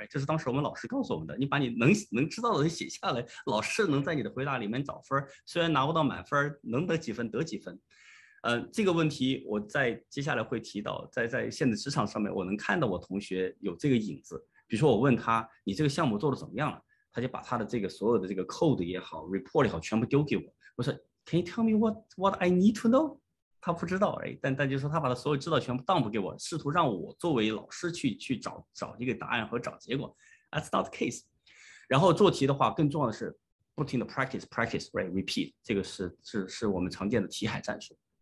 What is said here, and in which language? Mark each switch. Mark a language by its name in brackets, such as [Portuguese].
[Chinese] 这是当时我们老师告诉我们的，你把你能知道的写下来，老师能在你的回答里面找分儿，虽然拿不到满分，能得几分得几分。这个问题我在接下来会提到，在现在职场上面，我能看到我同学有这个影子。比如说，我问他，你这个项目做得怎么样了？他就把他的这个所有的这个 code 也好，report 也好，全部丢给我。我说， [English] Can you tell me what I need to know？ [Chinese] 他不知道，但就是说他把他所有知道全部 dump 给我，试图让我作为老师去找一个答案和找结果。 [English] That's not the case。 [Chinese] 然后做题的话，更重要的是不停的 practice，repeat，这个是我们常见的题海战术。